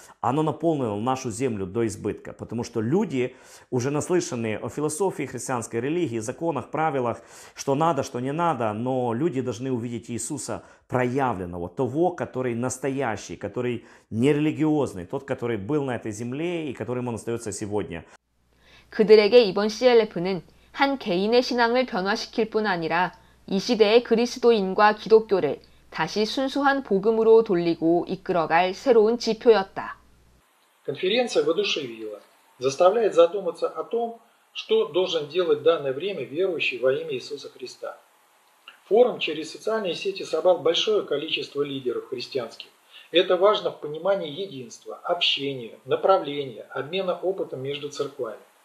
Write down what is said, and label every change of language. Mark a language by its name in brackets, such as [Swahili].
[Russian] оно наполнило нашу землю до избытка, потому что люди, уже наслышанные о философии христианской религии, законах, правилах, что надо, что не надо, но люди должны увидеть Иисуса проявленного, того, который настоящий, который нерелигиозный, тот, который был на этой земле и которым он остается сегодня. [Korean] 그들에게 이번 CLF는 한 개인의 신앙을 변화시킬 뿐 아니라 이 시대의 그리스도인과 기독교를 다시 순수한 복음으로 돌리고 이끌어갈 새로운 지표였다. [Russian] Конференция воодушевила, заставляет задуматься о том, что должен делать в данное время верующий во имя Иисуса Христа. Форум через социальные сети собрал большое количество лидеров христианских. Это важно в понимании единства, общения, направления, обмена опытом между церквами.